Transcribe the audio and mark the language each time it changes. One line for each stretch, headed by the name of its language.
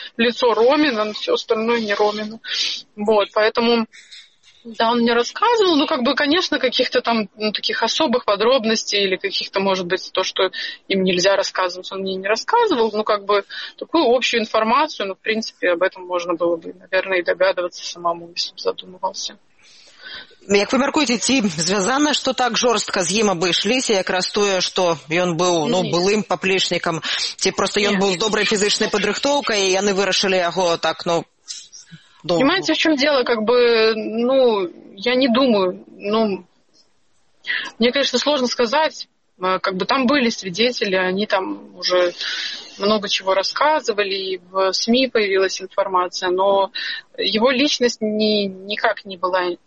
Russian: Лицо Ромина, но все остальное не Ромина. Вот, поэтому, да, он мне рассказывал, ну, как бы, конечно, каких-то там, ну, таких особых подробностей или каких-то, может быть, то, что им нельзя рассказывать, он мне не рассказывал, ну, как бы, такую общую информацию, ну, в принципе, об этом можно было бы, наверное, и догадываться самому, если бы задумывался.
Belarusian: Як вы мяркуеце, ці звязана, што так жорстка з ім абышліся, якраз тое, што ён быў, ну, былым паплечнікам, ці проста ён быў з добрай фізычнай падрыхтоўкай, і яны вырашылі яго так, ну, добра.
Russian: Понимаете, в чём дело, как бы, ну, я не думаю, ну, мне, конечно, сложно сказаць, как бы там были свидетели, они там уже много чего рассказывали, и в СМИ появилась информация, но его личность никак не была...